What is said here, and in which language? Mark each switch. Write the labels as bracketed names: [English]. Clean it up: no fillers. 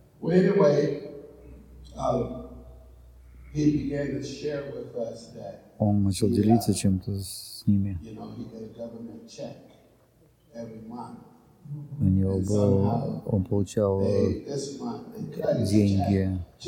[English] Anyway, he began to share with us that [Russian] он начал делиться чем-то с ними. [English] You know, he got a government check every month. [Russian] У него был, он получал деньги.